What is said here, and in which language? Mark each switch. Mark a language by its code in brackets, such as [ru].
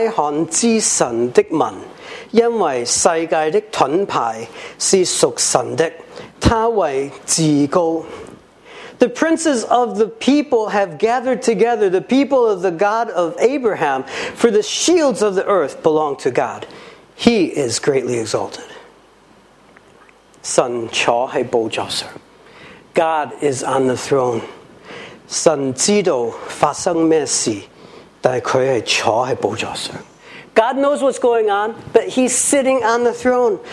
[zh] 列邦的君王聚集要在亚伯拉罕之神的民, 因为世界的盾牌是属神的, 他为至高。 [en] The princes of the people have gathered together, the people of the God of Abraham, for the shields of the earth belong to God. He is greatly exalted. [zh] 神坐在宝座上, [en] God is on the throne. [zh] 神知道发生什么事，但是他是坐在宝座上。 [en] God knows what's going on, but he's sitting on the throne.